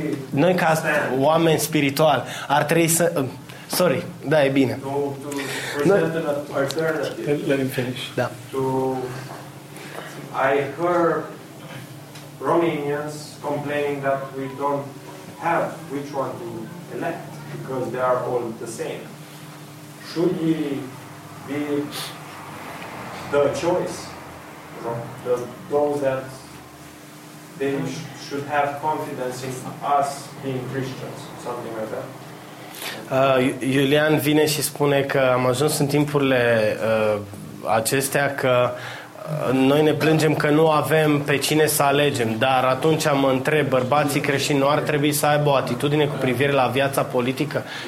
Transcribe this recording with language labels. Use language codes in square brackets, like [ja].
[ro] Noi ca oameni spirituali ar trebui să sorry, da, e bine. [en] Let him finish. [ro] Da. [en] I heard Romanians complaining that we don't have which one to elect because they are all the same. Should we be the choice, the those that they should have confidence in us being Christians, something like that. [ro] Iulian vine și spune că am ajuns în timpurile acestea că noi ne plângem că nu avem pe cine să alegem, dar atunci mă întreb, bărbații creștini nu ar trebui să aibă o atitudine cu privire la viața politică?